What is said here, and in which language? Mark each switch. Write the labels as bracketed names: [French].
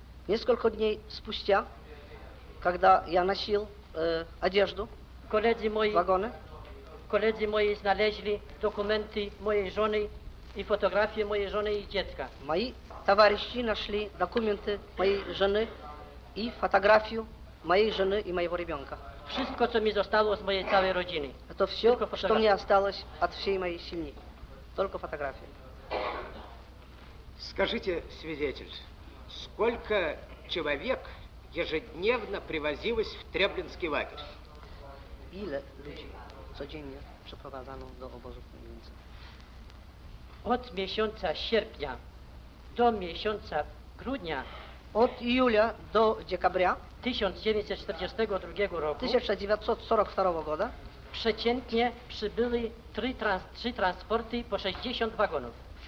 [Russian] Несколько дней спустя, когда я носил одежду, коллеги мои, вагоны. Коллеги мои знали документы моей жены и фотографии моей жены и детка. Мои товарищи нашли документы моей жены и фотографию моей жены и моего ребенка. [Polish] Wszystko, co mi zostało z mojej całej rodziny. [Russian] To все, что мне осталось от всей моей семьи. Только фотографии. Скажите, свидетель, сколько человек ежедневно привозилось в Треблинский лагерь? [Polish] Ile ludzi codziennie przeprowadzano do obozu w Treblince? Od miesiąca sierpnia do miesiąca grudnia. Od [Russian] июля до декабря 1942 года [Polish] przeciętnie przybyły 3 transporty po 60 wagonów.